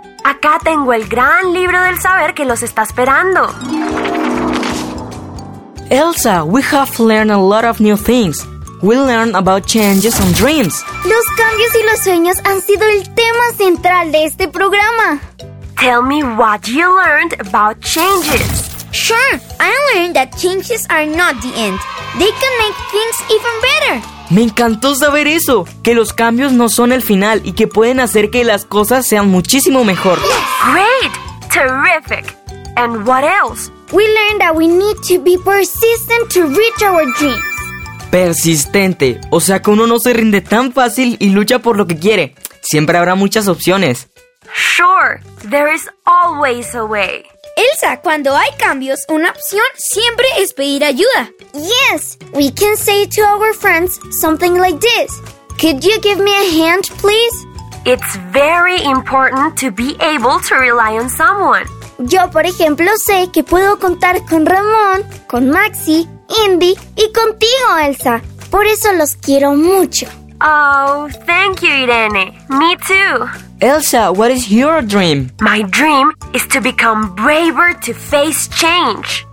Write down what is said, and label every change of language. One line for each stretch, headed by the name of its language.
Spanish: Acá tengo el gran libro del saber que los está esperando.
English: Elsa, we have learned a lot of new things. We learned about changes and dreams.
Spanish: Los cambios y los sueños han sido el tema central de este programa.
English: Tell me what you learned about changes. Sure, I learned that changes are not the end. They can make things even better.
Spanish: Me encantó saber eso, que los cambios no son el final y que pueden hacer que las cosas sean muchísimo mejor.
English: Yes. Great, terrific. And what else? We learned that we need to be persistent to reach our dreams.
Spanish: Persistente, o sea que uno no se rinde tan fácil y lucha por lo que quiere. Siempre habrá muchas opciones.
English: Sure, there is always a way.
Spanish: Elsa, cuando hay cambios, una opción siempre es pedir ayuda.
English: Yes, we can say to our friends something like this. Could you give me a hand, please? It's very important to be able to rely on someone.
Spanish: Yo, por ejemplo, sé que puedo contar con Ramón, con Maxi, Indy y contigo, Elsa. Por eso los quiero mucho.
English: Oh, thank you, Irene.
Spanish: Me too.
English: Elsa, what is your dream? My dream is to become braver to face change.